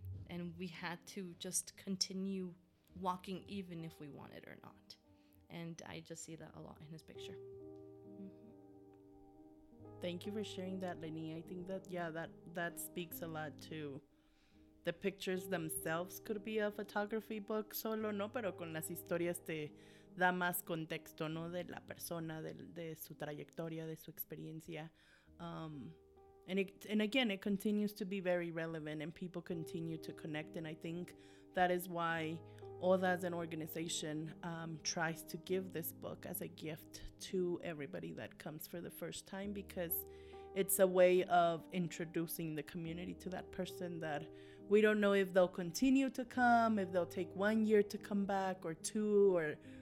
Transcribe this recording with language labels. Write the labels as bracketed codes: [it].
[en] And we had to just continue walking even if we wanted or not. And I just see that a lot in his picture. Mm-hmm. Thank you for sharing that, Lenny. I think that, yeah, that speaks a lot to the pictures themselves. Could be a photography book solo, ¿no? [es] Pero con las historias te da más contexto, ¿no? De la persona, de su trayectoria, de su experiencia. [en] And again, it continues to be very relevant and people continue to connect. And I think that is why ODA as an organization tries to give this book as a gift to everybody that comes for the first time, because it's a way of introducing the community to that person that we don't know if they'll continue to come, if they'll take 1 year to come back or two, or